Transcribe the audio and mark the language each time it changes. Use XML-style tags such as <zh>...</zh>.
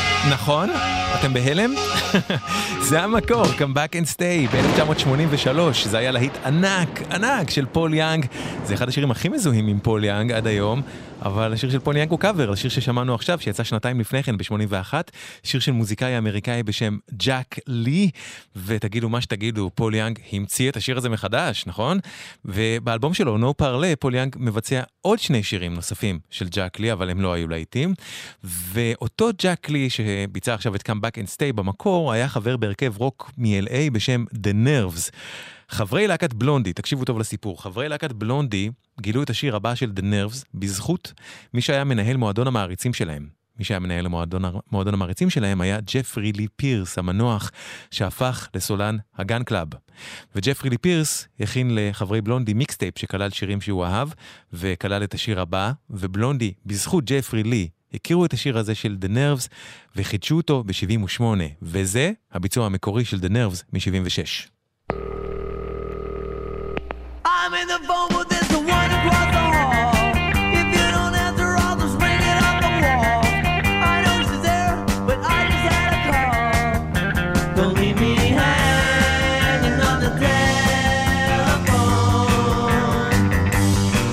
<he>נכון? אתם בהלם? זה המקור, Come Back and Stay, ב-1983. זה היה להיט ענק, ענק של פול יאנג. זה אחד השירים הכי מזוהים עם פול יאנג עד היום, אבל השיר של פול יאנג הוא קאבר, השיר ששמענו עכשיו, שיצא שנתיים לפני כן, ב-81, שיר של מוזיקאי אמריקאי בשם ג'אק לי, ותגידו מה שתגידו, פול יאנג המציא את השיר הזה מחדש, נכון? ובאלבום שלו, No Parley, פול יאנג מבצע עוד שני שירים נוספים של ג'אק לי, אבל הם לא היו להיטים. ואותו ג'אק לי שביצע עכשיו את Come Back and Stay במקור, היה חבר בהרכב רוק מ-LA בשם The Nerves. חברי להקת בלונדי, תקשיבו טוב לסיפור, חברי להקת בלונדי גילו את השיר הבא של The Nerves בזכות מי שהיה מנהל מועדון המעריצים שלהם. מי שהיה מנהל מועדון המעריצים שלהם היה ג'פרי לי פירס, המנוח שהפך לסולן הגן קלאב. וג'פרי לי פירס הכין לחברי בלונדי מיקסטייפ שכלל שירים שהוא אהב וכלל את השיר הבא, ובלונדי, בזכות ג'פרי לי, הכירו את השיר הזה של The Nerves וחידשו אותו ב-78, וזה הביצוע המקורי של The Nerves מ-76.</he> <en>I'm in the phone booth, there's a one across the hall. If you don't answer, I'll just bring it up the wall. I know she's there, but I just had a call. Don't leave me hanging on the telephone.</en>